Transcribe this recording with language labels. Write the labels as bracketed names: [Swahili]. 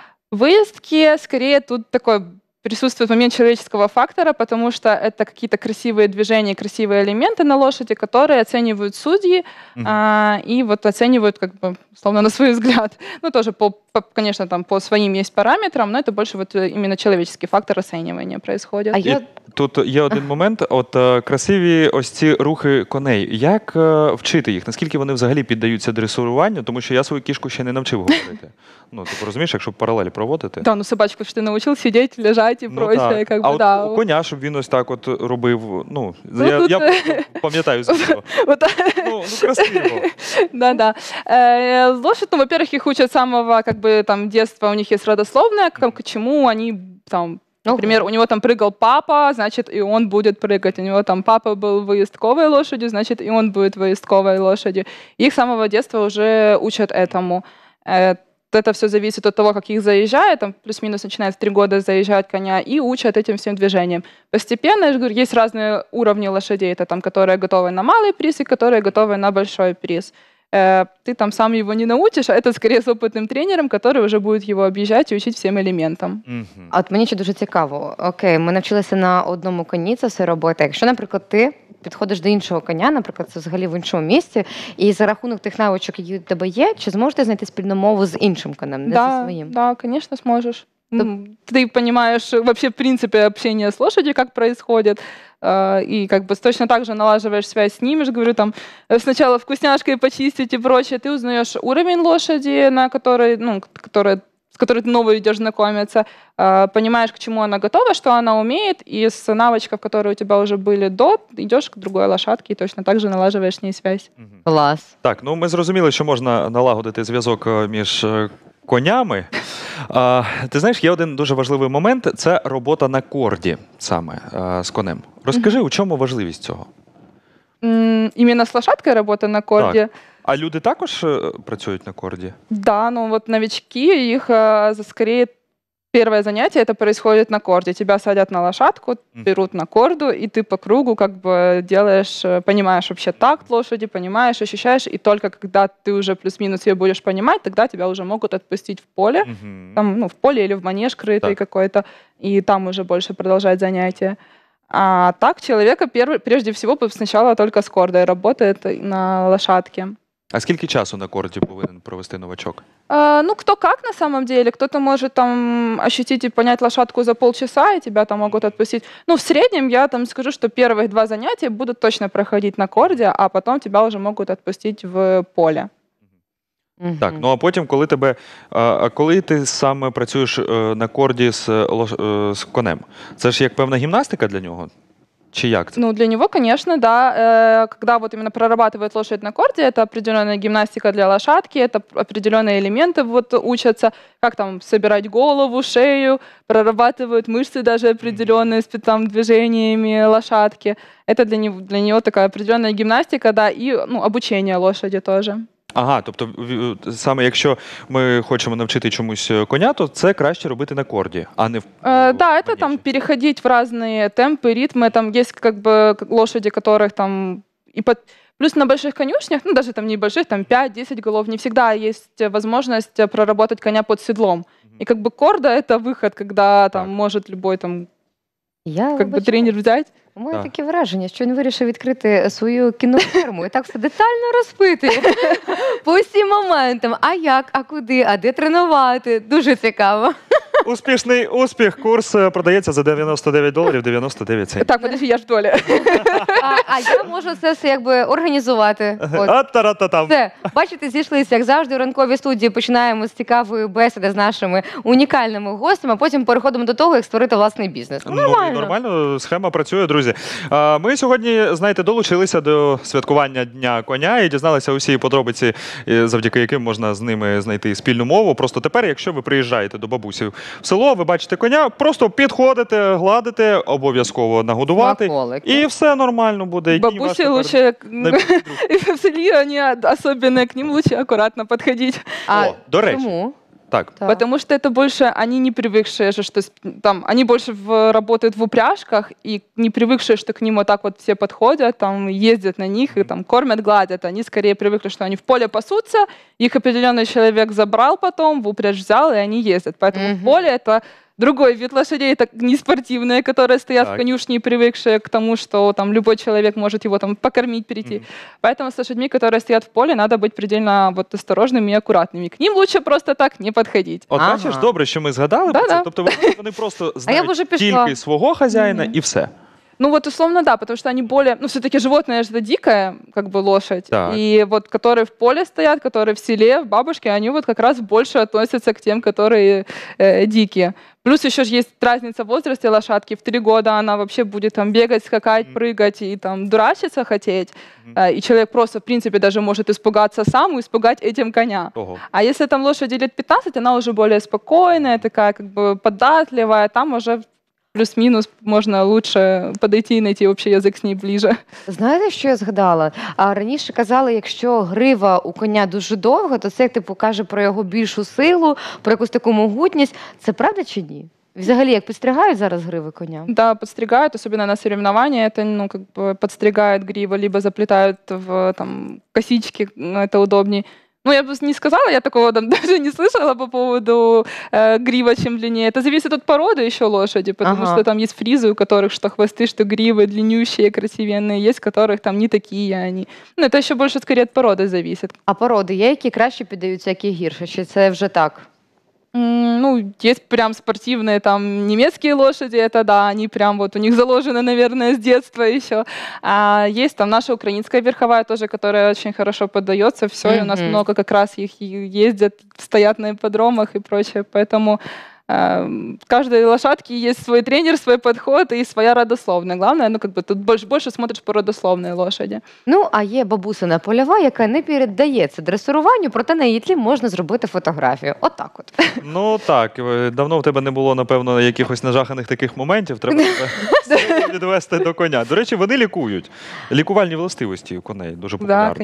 [Russian] Выездки, скорее, тут такой присутствует момент человеческого фактора, потому что это какие-то красивые движения, красивые элементы на лошади, которые оценивают судьи и вот оценивают, как бы, словно на свой взгляд. Ну, тоже, конечно, там по своим есть параметрам, но это больше вот именно человеческий фактор оценивания происходит. [Ukrainian] А тут є один момент, от красиві ось ці рухи коней. Як вчити їх? Наскільки вони взагалі піддаються дресуруванню? Тому що я свою кішку ще не навчив говорити. Ну, ти розумієш, якщо паралелі проводити. Так, ну собачку ж ти навчив сидіти, лежати. лежать і просять, ну, як би, да. А от коня, щоб він ось так от робив, ну, я пам'ятаю з цього. Ну, красиво. [Russian] Да-да. Лошадь, ну, во-первых, [Ukrainian] їх учать самого, як би, [Russian] там, детства, [Ukrainian] у них є родословне, к чому вони, [Russian] там, например, у него там прыгал папа, значит, и он будет прыгать. У него там папа был выездковой лошадью, значит, и он будет выездковой лошадью. Их с самого детства уже учат этому. Это все зависит от того, как их заезжают, там плюс-минус начинает в 3 года заезжать коня, и учат этим всем движением. Постепенно, я же говорю, есть разные уровни лошадей, это там, которые готовы на малый приз и которые готовы на большой приз. Ты там сам его не научишь, а это скорее с опытным тренером, который уже будет его объезжать и учить всем элементам. [Ukrainian] А от мені ще дуже цікаво. Окей, ми навчилися на одному коні це все робити. Якщо, наприклад, ти підходиш до іншого коня, наприклад, це взагалі в іншому місці, і за рахунок тих навичок, які в тебе є, чи зможете знайти спільну мову з іншим конем, не [Russian] да, [Ukrainian] зі своїм? [Russian] Да, конечно, зможеш. Ты понимаешь вообще в принципе общение с лошадью, как происходит, и как бы точно так же налаживаешь связь с ними, же говорю, там сначала вкусняшкой почистить и прочее, ты узнаешь уровень лошади, на которой, ну, с которой ты новую идешь знакомиться, понимаешь, к чему она готова, что она умеет, и с навычков, которые у тебя уже были до, идешь к другой лошадке и точно так же налаживаешь с ней связь. Класс. [Ukrainian] Так, ну мы зрозуміли, що можна налагодити зв'язок між конями. Ти знаєш, є один дуже важливий момент – це робота на корді саме з конем. Розкажи, у чому важливість цього? Іменно з лошадкою робота на корді. А люди також працюють на корді? Да, ну от новички, їх скоріше перше заняття – це відбувається на корді. Тебе садять на лошадку, беруть на корду, і ти по кругу как бы, делаєш, розумієш вообще такт лошаді, розумієш, відчуваєш, і тільки коли ти вже плюс-мінус її будеш розуміти, тоді тебе вже можуть відпустити в поле, там, ну, в поле або в манеж критий якийсь, і там вже більше продовжувати заняття. А так, чоловіка, прежде всего, спочатку тільки з кордою працює на лошадці. А скільки часу на корді повинен провести новачок? [Russian] Ну, кто как на самом деле, кто-то может там ощутить и понять лошадку за полчаса, и тебя там могут отпустить. Ну, в среднем я там скажу, что первые два занятия будут точно проходить на корде, а потом тебя уже могут отпустить в поле. [Ukrainian] Так, ну а потім, коли тебе, а коли ти саме працюєш на корді з конем, це ж як певна гімнастика для нього? Чи як це? Ну, для нього, звісно, да. [Russian] Коли вот именно прорабатывает лошадь на корді, это определенная гимнастика для лошадки, это определенные элементы вот учатся, как там собирать голову, шею, прорабатывают мышцы даже определенные с там движениями лошадки. Это для нього такая определенная гимнастика, да, и, ну, обучение лошади тоже. [Ukrainian] Ага, тобто саме якщо ми хочемо навчити чомусь коня, то це краще робити на корді, а не в да, це там переходити в різні темпи, ритми, там є [Russian] как бы лошади, которых там [Ukrainian] і под... [Russian] плюс на больших конюшнях, ну даже там небольших, там 5-10 голов, не всегда есть возможность проработать коня под седлом. І как бы корда это выход, когда там так может любой там я как бы тренер взять. [Ukrainian] У мене таке враження, що він вирішив відкрити свою кіноферму і так все детально розпити по всім моментам. А як, а куди, а де тренувати? Дуже цікаво. Успішний успіх. Курс продається за $99.99. Так, подожди, я ж в долі. А я можу це все якби організувати. А-та-та-та-там. Все, бачите, зійшлися, як завжди, у ранковій студії починаємо з цікавої бесіди з нашими унікальними гостями, а потім переходимо до того, як створити власний бізнес. Нормально. Нормально, схема працює, друзі. Ми сьогодні, знаєте, долучилися до святкування Дня коня і дізналися усі подробиці, завдяки яким можна з ними знайти спільну мову. Просто тепер, якщо ви приїжджаєте до бабусі в село, ви бачите коня, просто підходите, гладите, обов'язково нагодувати. Смаколики. І все нормально буде. Бабусі краще лучше... в селі, вони особливо, к ним краще акуратно підходити. А до речі. Чому? Так. [Russian] Да. Потому что это больше они не привыкшие же, что там они больше работают в упряжках и не привыкшие, что к ним вот так вот все подходят, там ездят на них и там кормят, гладят. Они скорее привыкли, что они в поле пасутся, их определенный человек забрал потом, в упряжь взял, и они ездят. Поэтому в поле это другой вид лошадей, это не спортивные, которые стоят в конюшне и привыкшие к тому, что там любой человек может его там покормить, перейти. Поэтому с лошадьми, которые стоят в поле, надо быть предельно вот осторожными и аккуратными. К ним лучше просто так не подходить. [Ukrainian] От, бачиш, добре, що ми згадали. [Russian] Да-да. [Ukrainian] Тобто вони просто знають тільки свого хозяїна і все. [Russian] Ну вот условно да, потому что они более, ну все-таки животное же это дикое, как бы лошадь, так. И вот которые в поле стоят, которые в селе, в бабушке, они вот как раз больше относятся к тем, которые дикие. Плюс еще же есть разница в возрасте лошадки. В 3 года она вообще будет там бегать, скакать, mm-hmm. прыгать и там дурачиться хотеть. Mm-hmm. И человек просто, в принципе, даже может испугаться сам и испугать этим коня. Oh. А если там лошади лет 15, она уже более спокойная, такая как бы податливая, там уже плюс-мінус, [Ukrainian] можна краще подойти і знайти [Russian] общий язик з ній ближе. [Ukrainian] Знаєте, що я згадала? Раніше казали, якщо грива у коня дуже довга, то це, як типу, каже про його більшу силу, про якусь таку могутність. Це правда чи ні? Взагалі, як підстригають зараз гриви коня? Да, підстригають, особливо на соревнования. Це, ну, как бы підстригають гриву, либо заплітають в там косички, це удобні. [Russian] Ну, я бы не сказала, я такого там даже не слышала по поводу грива, чем длиннее. Это зависит от породы еще лошади, потому ага. что там есть фризы, у которых что хвосты, что гривы длиннющие, красивенные, есть, которых там не такие они. Ну, это еще больше скорее от породы зависит. [Ukrainian] А породы, які краще піддаються, які гірше? Чи це вже так? [Russian] Ну, есть прям спортивные там немецкие лошади, это да, они прям вот у них заложены, наверное, с детства еще. А есть там наша украинская верховая тоже, которая очень хорошо поддается, все, mm-hmm. и у нас много как раз их ездят, стоят на ипподромах и прочее, поэтому каждой лошадке есть свой тренер, свой подход и своя родословная. Главное, ну, как бы, тут больше смотришь по родословной лошади. [Ukrainian] Ну, а є бабусина польова, яка не передається дресуруванню, проте на її тлі можна зробити фотографію. От так от. Ну, так. Давно в тебе не було, напевно, якихось нажаханих таких моментів. Треба відвести до коня. До речі, вони лікують. Лікувальні властивості у коней дуже популярні.